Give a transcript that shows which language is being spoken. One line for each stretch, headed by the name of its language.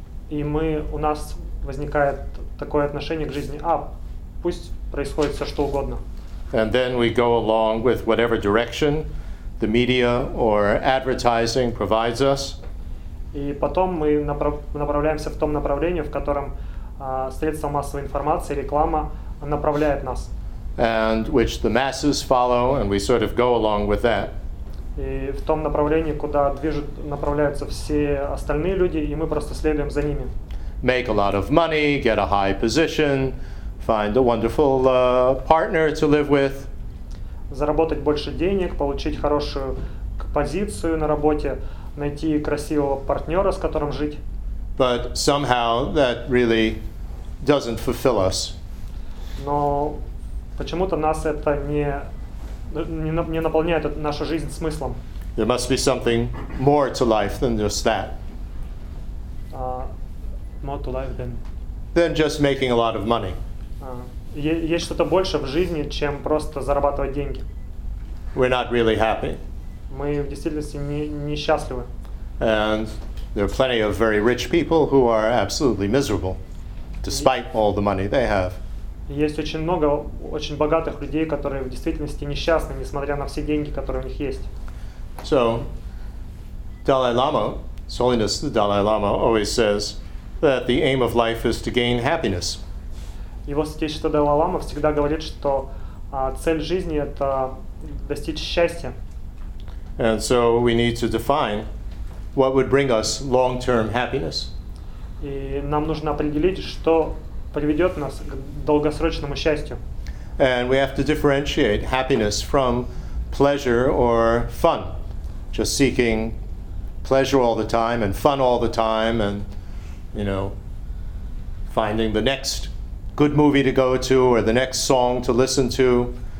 Russian: У нас возникает такое отношение к жизни: а пусть происходит все, что угодно.
English: And then we go along with whatever direction the media or advertising provides us.
Russian: И потом мы направляемся в том направлении, в котором средства массовой информации, реклама направляет нас.
English: And which the masses follow, and we sort of go along with that.
Russian: И в том направлении, куда направляются все остальные люди, и мы просто следуем за ними.
English: Make a lot of money, get a high position, find a wonderful partner to live with.
Russian: Заработать больше денег, получить хорошую позицию на работе, найти красивого партнера, с которым жить.
English: But somehow that really doesn't fulfill us.
Russian: Но почему-то нас это не наполняет нашу жизнь смыслом.
English: There must be something more to life than just that. More to life than. Than just making a lot of money.
Russian: Есть что-то больше в жизни, чем просто зарабатывать деньги.
English: We're not really happy.
Russian: Мы в действительности не счастливы.
English: And there are plenty of very rich people who are absolutely miserable, despite all the money they have.
Russian: Есть очень много очень богатых людей, которые в действительности несчастны, несмотря на все деньги, которые у них есть.
English: So, Dalai Lama, His Holiness the Dalai Lama, always says that the aim of life is to gain happiness.
Russian: Его святейшество Далай Лама всегда говорит, что цель жизни — это достичь счастья.
English: And so we need to define what would bring us long-term happiness.
Russian: И нам нужно определить, что приведет нас к долгосрочному счастью.
English: And we have to differentiate happiness from pleasure or fun. Just seeking pleasure all the time and fun all the time and, you know, finding the next good movie to go to or the next song to listen to.